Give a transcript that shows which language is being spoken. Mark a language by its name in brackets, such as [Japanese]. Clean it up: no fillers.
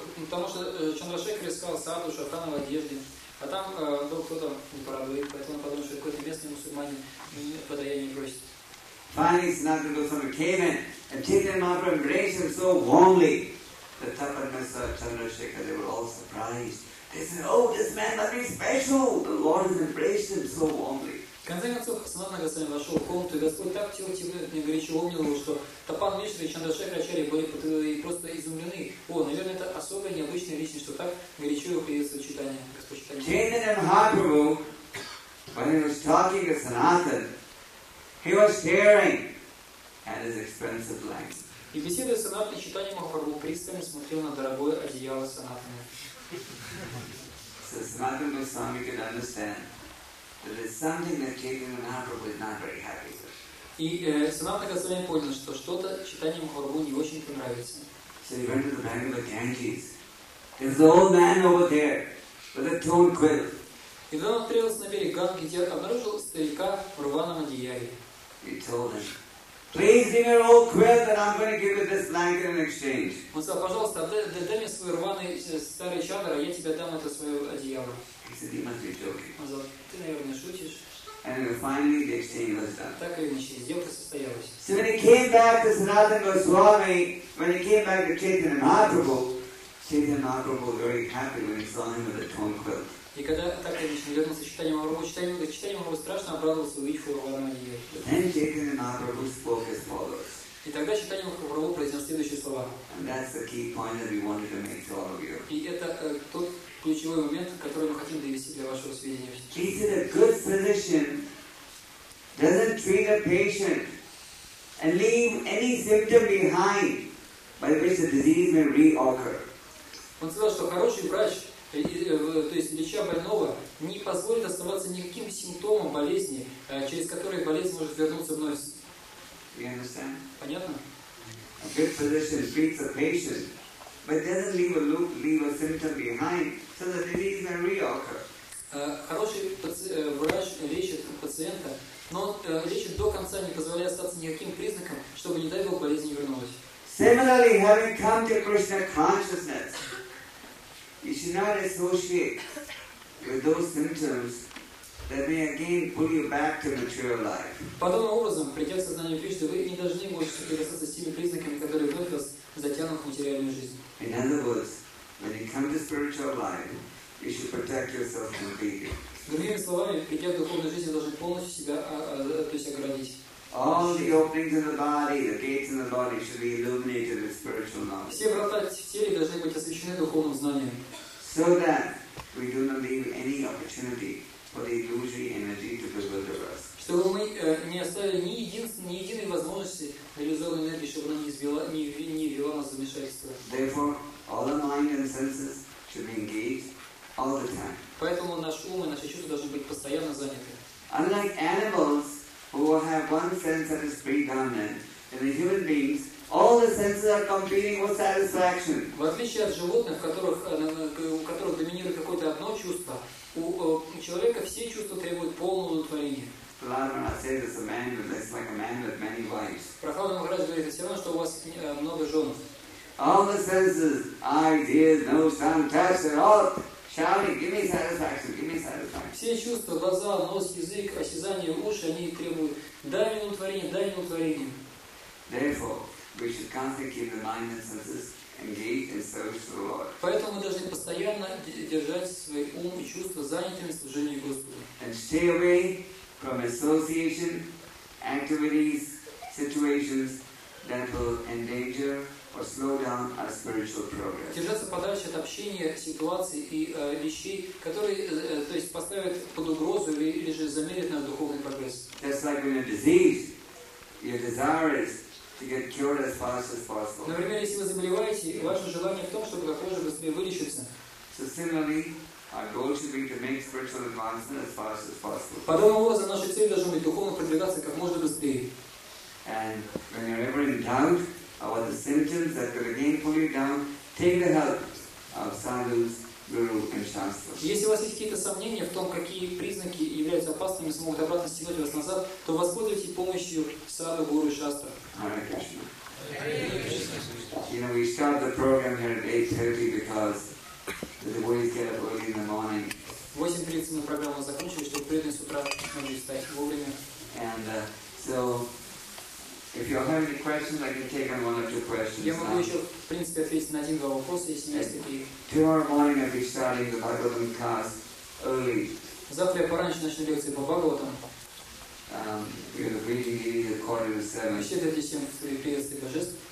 [Russian] Потому что Чандрашекхар искал садху в шафрановой одежде, а там был кто-то у бороды, поэтому он подумал, что какой-то местный мусульманин подаяние просит. [English] Finally, Sanatana Goswami came in and Chaitanya Mahaprabhu embraced him so warmly. The Tapanasa Chandrasekhar, they were all surprised. They said, "Oh, this man must be special. The Lord has embraced him so warmly." [Russian] В конце концов, Санатана Госвами вошел в комнату, и Господь так тепло горячо обнял его, что Тапан Мишри и Чандрашекхар Ачарья были просто изумлены. О, наверное, это особая необычная личность, что так горячо его приветствует читание. [English] Chaitanya Mahaprabhu, when he was talking to Sanatan, he was staring at his expensive blanket. [Russian] И беседуя с Санатаной, Чайтанья Махапрабху пристально смотрел на дорогое одеяло Санатаны. [English] So Sanatan Goswami could understand that it's something that Chaitanya Mahaprabhu is not very happy with. [Russian] И Санатана Госвами понял, что что-то Чайтанья Махапрабху не очень понравится. [English] So he went to the bank of the Ganges. There's an old man over there with a torn quilt. [Russian] И он отправился на берег Ганги, где обнаружил старика в рваном одеяле. [English] He told him, "Please give your old quilt and I'm going to give you this blanket in exchange." [Russian] Он сказал, "Пожалуйста, дай мне свой рваный старый чадар, а я тебе дам это свое одеяло." [English] He said, "You must be joking." [Russian] Он сказал, "Ты, наверное, шутишь." [English] And finally the exchange was done. [Russian] Так или иначе, сделка состоялась. [English] So when he came back to Sanatana Goswami, Chaitanya Mahaprabhu, was very happy when he saw him with a torn quilt. [Russian] И когда так лично вернулся Чайтанья Махапрабху, Чайтанья Махапрабху страшно обрадовался увидеть его в рваном одеяле. [English] Then Chaitanya Mahaprabhu spoke as follows. [Russian] И тогда читание Махапрабху произнес следующие слова. [English] And that's the key point that we wanted to make to all of you. [Russian] И это тот ключевой момент, который мы хотим довести для вашего сведения. [English] He said a good physician doesn't treat a patient and leave any symptom behind by which the disease may reoccur. [Russian] Он сказал, что хороший врач, то есть леча больного, не позволит оставаться никаким симптомом болезни, через который болезнь может вернуться вновь. [English] You understand? [Russian] Понятно? [English] A good physician treats a patient, but doesn't leave a loop, leave a symptom behind, so the disease may reoccur. [Russian] Хороший врач лечит пациента, но лечит до конца, не позволяя остаться никаким признаком, чтобы, не дай Бог, болезнь не вернулась. [English] Similarly, having come to Krishna consciousness, you should not associate with those symptoms that may again pull you back to material life. [Russian] Подобным образом, придя в сознание Кришны, вы не должны больше соприкасаться с теми признаками, которые вновь вас затянут в материальную жизнь. [English] In other words, when you come to spiritual life, you should protect yourself completely. [Russian] Другими словами, придя в духовную жизнь, вы должны полностью себя, то есть оградить. [English] All the openings in the body, the gates in the body, should be illuminated with spiritual knowledge. [Russian] Все врата в теле должны быть освещены духовным знанием. [English] So that we do not leave any opportunity for the illusory energy to bewilder us. [Russian] Чтобы мы не оставили ни единой возможности иллюзорной энергии, чтобы она не ввела нас в замешательство. [English] Therefore, all the mind and senses should be engaged all the time. [Russian] Поэтому наш ум и наши чувства должны быть постоянно заняты. [English] Unlike animals, who have one sense that is predominant, and the human beings, all the senses are competing for satisfaction. [Russian] В отличие от животных, у которых доминирует какое-то одно чувство, у человека все чувства требуют полного удовлетворения. [English] Prahlada says it's a man with, it's like a man with many wives. [Russian] Прохладный Махарадж говорит, все равно, что у вас много жен. [English] All the senses, eyes, ears, nose, tongue, touch, they're all shouting, give me satisfaction, give me satisfaction. [Russian] Все чувства, глаза, нос, язык, осязание, уши, они требуют дай ему творение, дай ему творение. [English] Therefore, we should constantly keep the mind and senses engaged in service to the Lord. [Russian] Поэтому мы должны постоянно держать свои ум и чувства занятыми служением Господу. [English] And stay away from association, activities, situations that will endanger or slow down our spiritual progress. [Russian] Держаться подальше от общения, ситуаций и вещей, которые, то есть, поставят под угрозу или же замедлят наш духовный прогресс. [English] Just like in a disease, your desire is to get cured as fast as possible. [Russian] Например, если вы заболеваете, ваше желание в том, чтобы как можно быстрее вылечиться. [English] So similarly, our goal should be to make spiritual advancement as fast as possible. [Russian] Подобным образом, наша цель должна быть духовно продвигаться как можно быстрее. [English] And when you're ever in doubt about the symptoms that could again pull you down, take the help of sadhus, guru, and shastras. [Russian] Если у вас есть какие-то сомнения в том, какие признаки являются опасными, смогут обратно стянуть вас назад, то воспользуйтесь помощью садху, гуру и шастра. [English] Hare Krishna. You know, we start the program here at 8:30 because the devotees get up early in the morning. [Russian] 8:30 мы программу закончили, чтобы преданные с утра могли встать вовремя. [English] And so, if you have any questions, I can take on one or two questions. [Russian] Я могу еще, в принципе, ответить на один-два вопроса, если есть такие. [English] Tomorrow morning I'll be starting the Bhagavatam class early. [Russian] Завтра я пораньше начну лекции по Бхагаватам. [English] You're reading it at 6:45. [Russian] Вообще это 7:30 приветствие божеств.